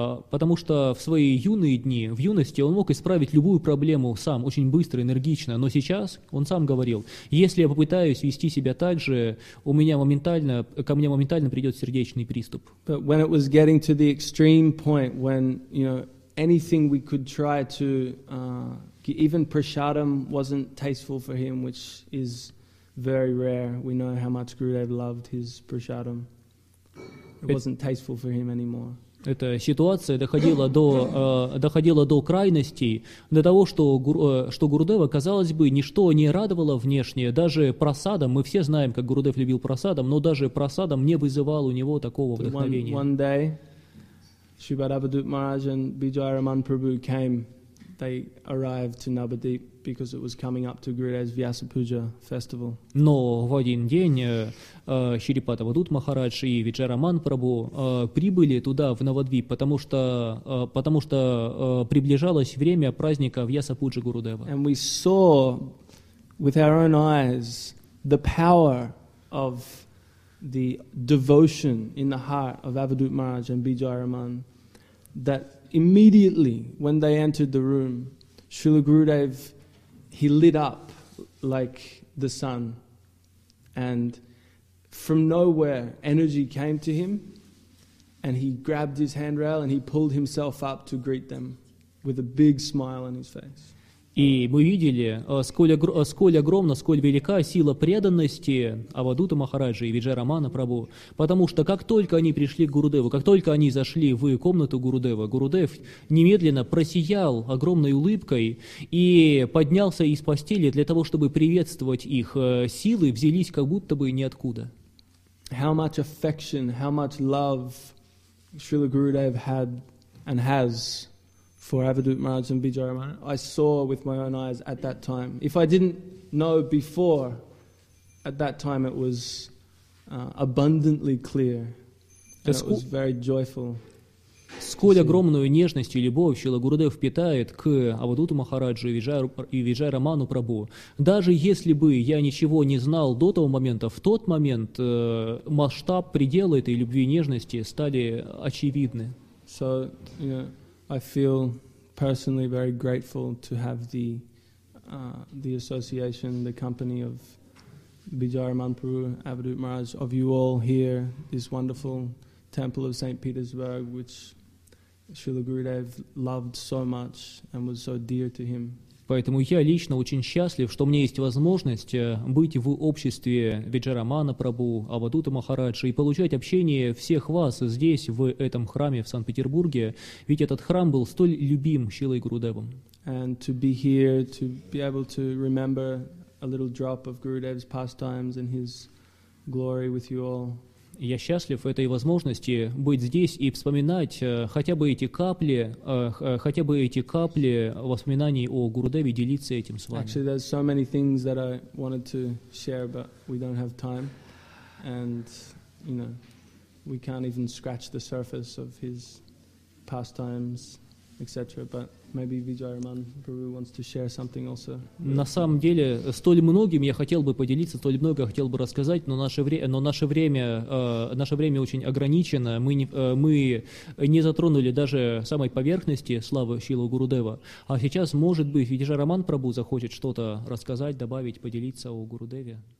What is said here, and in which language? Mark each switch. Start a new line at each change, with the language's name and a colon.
Russian: Потому что в свои юные дни, в юности, он мог исправить любую проблему сам, очень быстро, энергично. Но сейчас он сам говорил, если я попытаюсь вести себя так же, ко мне моментально придет сердечный приступ.
English: But when it was getting to the extreme point, when, you know, anything we could try to, even prasadam wasn't tasteful for him, which is very rare. We know how much Gurudev loved his prasadam. It wasn't tasteful for him anymore.
Russian: Эта ситуация доходила до крайностей, до того, что Гурудева, казалось бы, ничто не радовало внешне, даже просадом, мы все знаем, как Гурудев любил просадом, но даже просадом не вызывал у него такого вдохновения.
English: One day, Shri Bhadravadut Maharaj and Bijaya Raman Prabhu came they arrived to Navadvip because it was coming up to Gurudev's Vyasa Puja festival.
Russian: Но в один день Шрипата Вадут Махарадж и Виджараман Прабу прибыли туда в Навадвип, потому что приближалось время праздника Вьяса Пуджи Гурудева.
English: And we saw with our own eyes the power of the devotion in the heart of Avadhut Maharaj and Vijayaraman, that immediately when they entered the room, Srila Gurudev, he lit up like the sun, and from nowhere energy came to him, and he grabbed his handrail and he pulled himself up to greet them with a big smile on his face.
Russian: И мы видели, сколь огромна, сколь велика сила преданности Авадута Махараджи и Виджарамана Прабу. Потому что как только они пришли к Гурудеву, как только они зашли в комнату Гурудева, Гурудев немедленно просиял огромной улыбкой и поднялся из постели для того, чтобы приветствовать их. Силы взялись как будто бы ниоткуда.
English: How much affection, how much love Srila Gurudev had and has for Avadhut Maharaj and Vijayaraman, I saw with my own eyes at that time. If I didn't know before, at that time it was abundantly clear, and it was very joyful.
Russian: Сколь огромную нежность и любовь Шрила Гурудев питает к Авадуту Махараджу и Виджайраману Прабу. Даже если бы я ничего не знал до того момента, в тот момент масштаб, предела этой любви и нежности стали очевидны.
English: So, you know, I feel personally very grateful to have the association, the company of Vijayaraman Prabhu, Avadhut Maharaj, of you all here, this wonderful temple of St. Petersburg, which Srila Gurudev loved so much and was so dear to him.
Russian: Поэтому я лично очень счастлив, что мне есть возможность быть в обществе Виджарамана Прабу, Авадута Махараджа и получать общение всех вас здесь, в этом храме в Санкт-Петербурге. Ведь этот храм был столь любим Шрилой Гурудевом.
English: And to be here, to be able to remember a little drop of Gurudev's pastimes and his glory with you all.
Russian: Я счастлив этой возможности быть здесь и вспоминать хотя бы эти капли воспоминаний о Гурудеве, делиться этим с вами.
English: Actually, there's so many things that I wanted to share, but we don't have time, and you know, we can't even scratch the surface of his pastimes, etc. But maybe Vijayaraman Prabhu wants to share something also.
Russian: На самом деле, столь многим я хотел бы поделиться, столь много хотел бы рассказать, но наше время очень ограничено. Мы не затронули даже самой поверхности славы Шрилы Гурудева. А сейчас, может быть, Виджайраман Прабху захочет что-то рассказать, добавить, поделиться о Гурудеве.